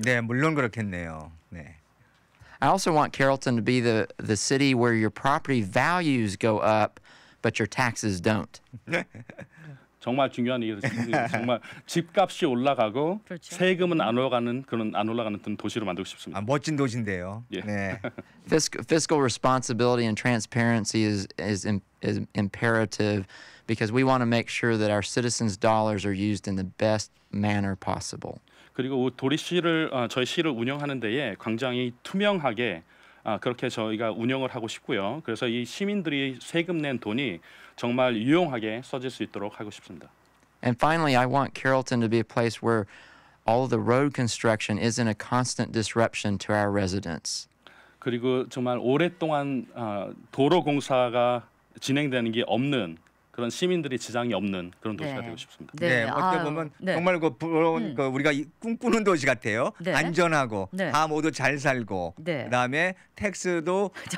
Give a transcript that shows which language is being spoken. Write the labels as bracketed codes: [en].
[ko] 네, 물론 그렇겠네요. 네. [en] I also want Carrollton to be the city where your property values go up. But your taxes don't. [ko] 정말 중요한 얘기죠. 정말 집값이 올라가고 그렇죠. 세금은 안 올라가는 그런 안 올라가는 도시로 만들고 싶습니다. 아, 멋진 도시인데요. 예. 네. [en] Fiscal responsibility and transparency is imperative because we want to make sure that our citizens' dollars are used in the best manner possible. [ko] 그리고 도리시를 저희 시를 운영하는 데에 굉장히 투명하게 그렇게 저희가 운영을 하고 싶고요. 그래서 이 시민들이 세금 낸 돈이 정말 유용하게 써질 수 있도록 하고 싶습니다. [en] And finally, I want Carrollton to be a place where all the road construction isn't a constant disruption to our residents. [ko] 그리고 정말 오랫동안 도로 공사가 진행되는 게 없는 그런 시민들이 지장이 없는 그런 도시가 네. 되고 싶습니다. 네, 네. 어떻게 보면 네. 정말 그 우리가 꿈꾸는 도시 같아요. 네. 안전하고 네. 다 모두 잘 살고 네. 그다음에 택스도